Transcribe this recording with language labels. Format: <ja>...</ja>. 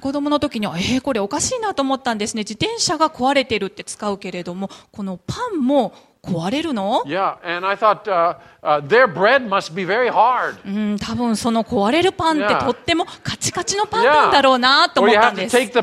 <ja>の時に、これおかしいなと思ったんですね。自転車が壊れてるって使うけれども、このパンも壊れるの？</ja> <en>Yeah, and I thought, their bread must be very hard.</en> <ja>多分その壊れるパンってとってもカチカチのパンなんだろうなと思ったんです。</ja>